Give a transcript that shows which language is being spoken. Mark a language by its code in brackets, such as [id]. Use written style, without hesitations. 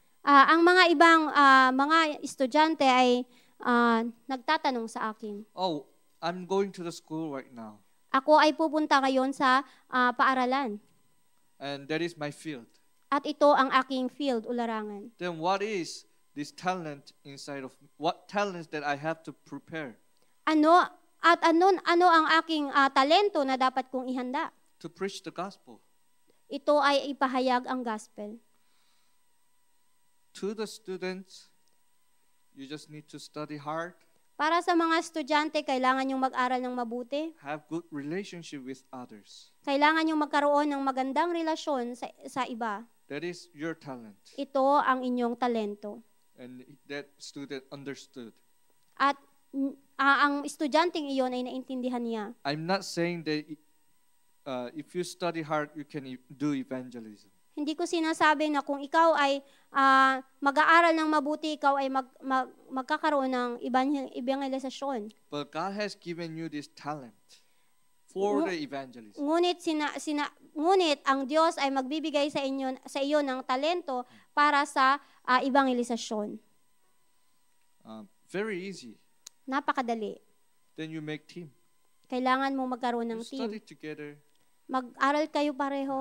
[tl] Ang mga ibang mga estudyante ay nagtatanong sa akin. [en] Oh, I'm going to the school right now. [tl] Ako ay pupunta ngayon sa paaralan. [en] And that is my field. [tl] At ito ang aking field o larangan. [en] Then what is this talent inside of me? What talents that I have to prepare? [tl] Ano ang aking talento na dapat kong ihanda? [en] To preach the gospel. [tl] Ito ay ipahayag ang gospel. [en] To the students, you just need to study hard. [tl] Para sa mga estudyante, kailangan niyong mag-aral ng mabuti. [en] Have good relationship with others. [tl] Kailangan niyong magkaroon ng magandang relasyon sa iba. [en] That is your talent. [tl] Ito ang inyong talento. [en] And that student understood. [tl] At ang estudyanteng iyon ay naintindihan niya. [en] I'm not saying that if you study hard, you can do evangelism. [tl] Hindi ko sinasabi na kung ikaw ay mag-aaral ng mabuti, ikaw ay magkakaroon ng evangelization. [en] But God has given you this talent for the evangelism. [tl] Ngunit ang Diyos ay magbibigay sa iyo ng talento para sa evangelization. [en] Very easy. [tl] Napakadali. [en] Then you make team. [tl] Kailangan mo magkaroon ng team. [en] Study together. [tl] Mag-aral kayo pareho.